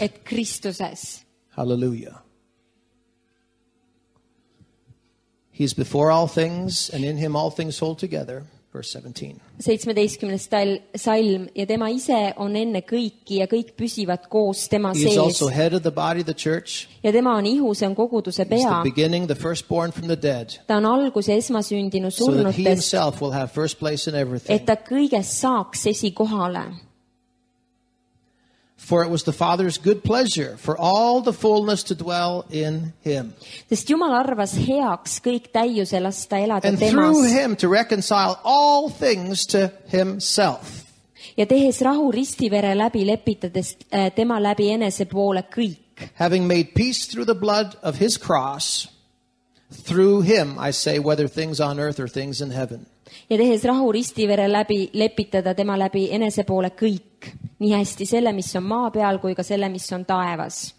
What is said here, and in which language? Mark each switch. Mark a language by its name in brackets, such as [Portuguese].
[Estonian] Et Kristuses. [English] Hallelujah. He's before all things and in him all things hold together, verse 17. [Estonian] 17. salm ja tema ise on enne kõiki ja kõik püsivad koos tema sees. [English] He's also head of the body of the church. [Estonian] Ja tema on ihu, see on koguduse pea. [English] He's the beginning, the firstborn from the dead. [Estonian] Ta on algus ja esmasündinu surnutest. [English] So that he himself will have first place in everything. [Estonian] Et ta kõiges saaks esikohale. [English] For it was the Father's good pleasure for all the fullness to dwell in him. [Estonian] Sest Jumal arvas heaks kõik täiuse lasta elada temas. [English] And through him to reconcile all things to himself. [Estonian] Ja tehes rahu ristivere läbi lepitades tema läbi enese poole kõik. [English] Having made peace through the blood of his cross, through him I say whether things on earth or things in heaven. [Estonian] Ja tehes rahu ristivere läbi lepitada tema läbi enese poole kõik, nii hästi selle, mis on maa peal, kui ka selle, mis on taevas.